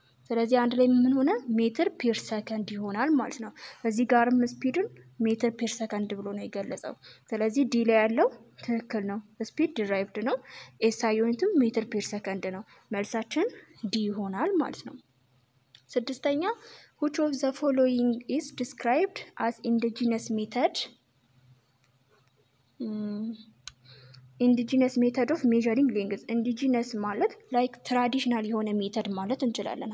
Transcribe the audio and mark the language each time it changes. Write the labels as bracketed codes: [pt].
[am] ስለዚህ አንድ ላይ ምን ሆነ ሜትር ፐር ሰከንድ ይሆናል ማለት ነው እዚህ ጋርም ስፒድን ሜትር ፐር ሰከንድ ብሎ ነው የገለጸው ስለዚህ ዲ ላይ ያለው ትክክል ነው ስፒድ ዲራይቭድ ነው ኤስአይ ዩኒትም ሜትር ፐር ሰከንድ ነው መልሳችን ዲ ይሆናል ማለት ነው ስድስተኛ [en] Which of the following is described as indigenous method? Indigenous method of measuring length. [am] Indigenous ማለት like traditional የሆነ method ማለት እንችላለን.